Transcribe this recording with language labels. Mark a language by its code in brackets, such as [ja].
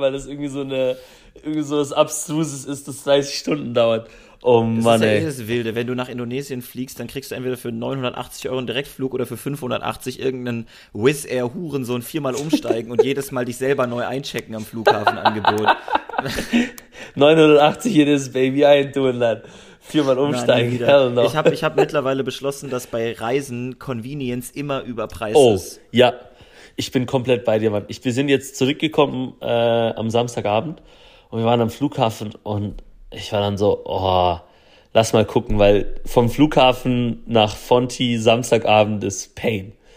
[de] Weil das irgendwie so was Abstruses ist, das 30 Stunden dauert. Oh Mann, das ist ja das Wilde. Wenn du nach Indonesien fliegst, dann kriegst du entweder für 980 Euro einen Direktflug oder für 580 irgendeinen Wizz Air Hurensohn viermal umsteigen und jedes Mal dich selber neu einchecken am Flughafenangebot. [en] 980 [de] jedes Baby, [en] I ain't doing that. [de] Viermal umsteigen. Nein, [en] hell no. [de] Ich hab mittlerweile beschlossen, dass bei Reisen Convenience immer überpreist ist. Oh, ja. Ich bin komplett bei dir, Mann. Wir sind jetzt zurückgekommen am Samstagabend und wir waren am Flughafen und ich war dann so, lass mal gucken, weil vom Flughafen nach Fonti Samstagabend ist Pain.